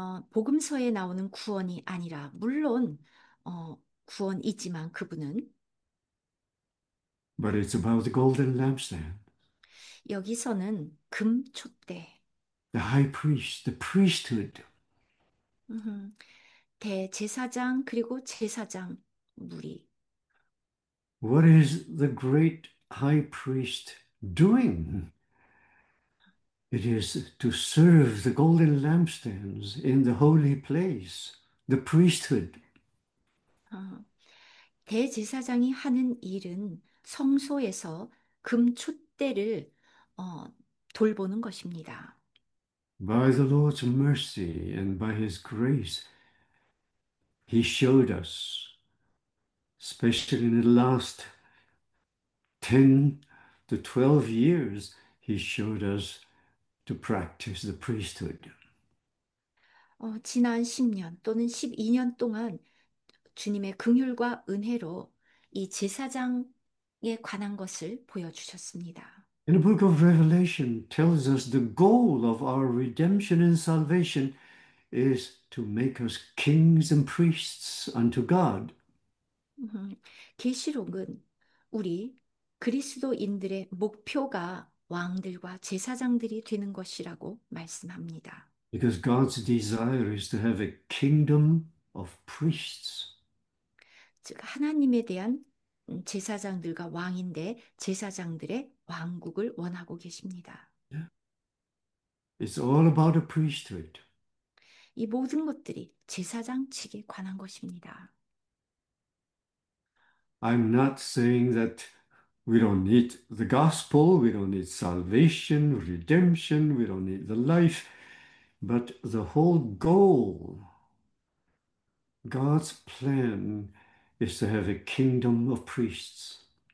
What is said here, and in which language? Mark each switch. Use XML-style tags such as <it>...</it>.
<ko>복음서에 나오는 구원이 아니라, 물론 구원이지만 그분은</ko> <en>But it's about the golden lampstand.</en> <ko>여기서는 금촛대,</ko> <en>The high priest, the priesthood.</en> <ko>대제사장 그리고 제사장 무리.</ko> <en>What is the great high priest doing? It is to serve the golden lampstands in the holy place, the priesthood.</en> <ko>대제사장이 하는 일은 성소에서 금촛대를 돌보는 것입니다.</ko> <en>By the Lord's mercy and by his grace, he showed us. Especially in the last 10 to 12 years, he showed us to practice the priesthood.</en> <ko>지난 10년 또는 12년 동안 주님의 긍휼과 은혜로 이 제사장에 관한 것을 보여주셨습니다.</ko> <en>And the book of Revelation tells us the goal of our redemption and salvation is to make us kings and priests unto God.</en> <ko>계시록은 우리 그리스도인들의 목표가 왕들과 제사장들이 되는 것이라고 말씀합니다.</ko> <en>Because God's desire is to have a kingdom of priests.</en> <ko>즉 하나님에 대한 제사장들과 왕인데 제사장들의 왕국을 원하고 계십니다.</ko> <en>It's all about a priesthood.</en> <ko>이 모든 것들이 제사장 직에 관한 것입니다.</ko> <en>I'm not saying that we don't need the gospel, we don't need salvation, redemption, we don't need the life. But the whole goal, God's plan, is to have a kingdom of priests.</en>